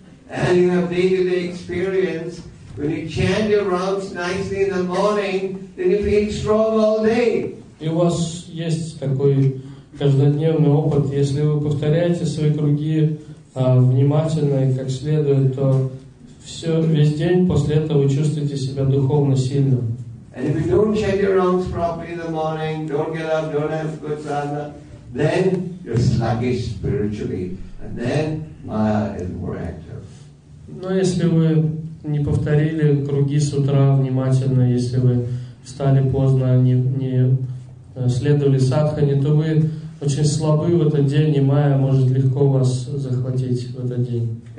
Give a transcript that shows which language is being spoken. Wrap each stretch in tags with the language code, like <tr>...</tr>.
<en>And you have daily experience when you chant your rounds nicely in the morning, then you feel strong all day.</en> <ru>И у вас есть такой каждодневный опыт. Если вы повторяете свои круги внимательно и как следует, то все, весь день после этого вы чувствуете себя духовно сильным.</ru> <en>And if you don't chant your rounds properly in the morning, don't get up, don't have good sadhana, then you're sluggish spiritually. And then maya is more active.</en> <ru>Но если вы не повторили круги с утра внимательно, если вы встали поздно, не следовали садхане, то вы очень слабы в этот день, и майя может легко вас захватить в этот день.</ru>